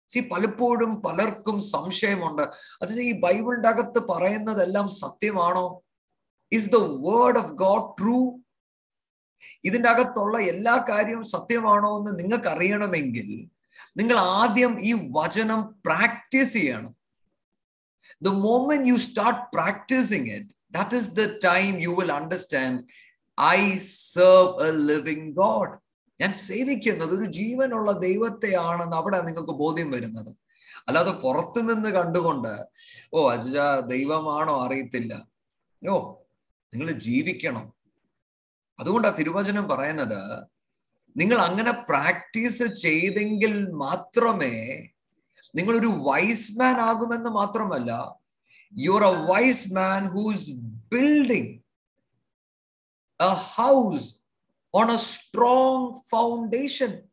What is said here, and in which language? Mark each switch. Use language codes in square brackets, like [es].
[ml] പലപ്പോഴും പലർക്കും സംശയമുണ്ട്, അത് ഈ ബൈബിളിന്റെ അകത്ത് പറയുന്നതെല്ലാം സത്യമാണോ? [en] Is the word of God true? [ml] ഇതിന്റെ അകത്തുള്ള എല്ലാ കാര്യവും സത്യമാണോ എന്ന് നിങ്ങൾക്ക് അറിയണമെങ്കിൽ നിങ്ങൾ ആദ്യം ഈ വചനം പ്രാക്ടീസ് ചെയ്യണം. [en] The moment you start practicing it, that is the time you will understand, I serve a living God. [ml] ഞാൻ സേവിക്കുന്നത് ഒരു ജീവനുള്ള ദൈവത്തെയാണെന്ന് അവിടെ നിങ്ങൾക്ക് ബോധ്യം വരുന്നത്. അല്ലാതെ പുറത്തു നിന്ന് കണ്ടുകൊണ്ട് ഓ അജ ദൈവമാണോ അറിയത്തില്ല, യോ നിങ്ങൾ ജീവിക്കണം. അതുകൊണ്ടാണ് തിരുവചനം പറയുന്നത് നിങ്ങൾ അങ്ങനെ പ്രാക്ടീസ് ചെയ്തെങ്കിൽ മാത്രമേ നിങ്ങളൊരു വൈസ് മാൻ ആകുമെന്ന് മാത്രമല്ല, [en] You are a wise man who's building a house on a strong foundation.